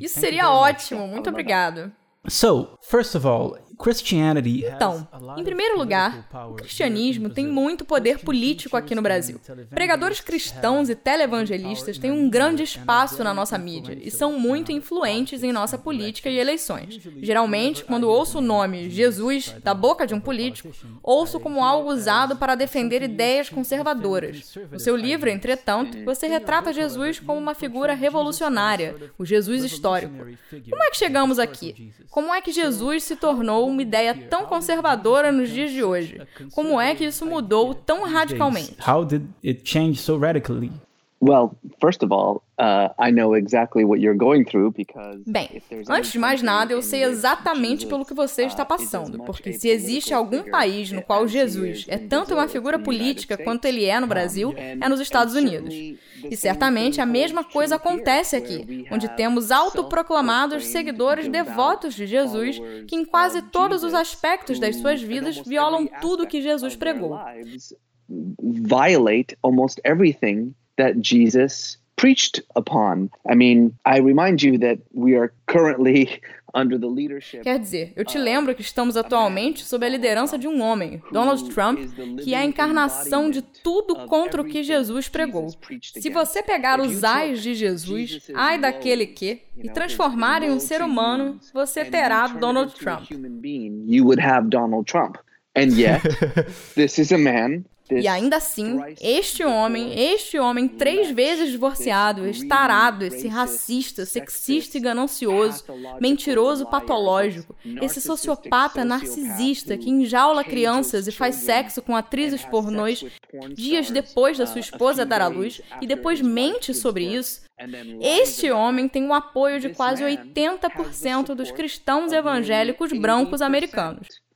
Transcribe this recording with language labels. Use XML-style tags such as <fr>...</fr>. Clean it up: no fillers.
<pt>Isso seria ótimo, muito obrigado.</pt> <en>So, first of all, Christianity.</en> <pt>Então, em primeiro lugar, o cristianismo tem muito poder político aqui no Brasil. Pregadores cristãos e televangelistas têm um grande espaço na nossa mídia e são muito influentes em nossa política e eleições. Geralmente, quando ouço o nome Jesus da boca de um político, ouço como algo usado para defender ideias conservadoras. No seu livro, entretanto, você retrata Jesus como uma figura revolucionária, o Jesus histórico. Como é que chegamos aqui? Como é que Jesus se tornou uma ideia tão conservadora nos dias de hoje? Como é que isso mudou tão radicalmente?</pt> <en>How did it change so radically? Well, first of all, I know exactly what you're going through because.</en> <pt>Bem, antes de mais nada, eu sei exatamente pelo que você está passando, porque se existe algum país no qual Jesus é tanto uma figura política quanto ele é no Brasil, é nos Estados Unidos. E certamente a mesma coisa acontece aqui, onde temos autoproclamados seguidores devotos de Jesus que em quase todos os aspectos das suas vidas violam tudo que Jesus pregou.</pt> <en>Violate almost everything that Jesus preached upon. I mean, I remind you that we are currently under the leadership.</en> <pt>Quer dizer, eu te lembro que estamos atualmente sob a liderança de um homem, Donald Trump, que é a encarnação de tudo contra o que Jesus pregou. Se você pegar os ais de Jesus, ai daquele que, e transformar em um ser humano, você terá Donald Trump.</pt> <en>You would have Donald Trump. And yet, this is a man.</en> <pt>E ainda assim, este homem três vezes divorciado, estarado, esse racista, sexista e ganancioso, mentiroso patológico, esse sociopata narcisista que enjaula crianças e faz sexo com atrizes pornôs dias depois da sua esposa dar à luz e depois mente sobre isso, este homem tem o apoio de quase 80% dos cristãos evangélicos brancos americanos.</pt>